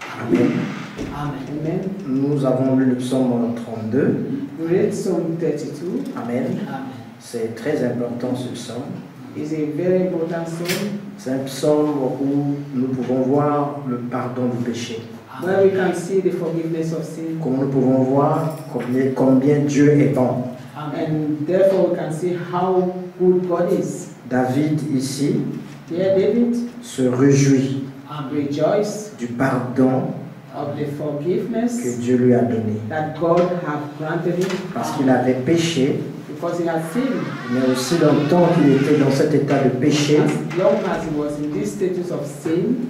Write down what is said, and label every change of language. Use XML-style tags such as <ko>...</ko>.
<fr>Amen. Amen. Amen. Nous avons lu le psaume 32.</fr> <en>We read Psalm 32. Amen. Amen.</en> <fr>C'est très important ce psaume.</fr> <en>It's a very important psalm.</en> <fr>C'est un psaume où nous pouvons voir le pardon du péché.</fr> <en>Where we can see the forgiveness of sin.</en> <fr>Comment nous pouvons voir combien Dieu est bon.</fr> <en>And therefore we can see how good God is.</en> <fr>David ici.</fr> <en>Yeah, David.</en> <fr>Se réjouit.</fr> <en>And rejoice.</en> <fr>Du pardon.</fr> <en>Of the forgiveness</en> <fr>que Dieu lui a donné.</fr> <en>That God has granted him.</en> <fr>Parce qu'il avait péché.</fr> <en>Because he had sinned.</en> <fr>Mais aussi longtemps qu'il était dans cet état de péché.</fr> <en>As long as he was in this status of sin.</en>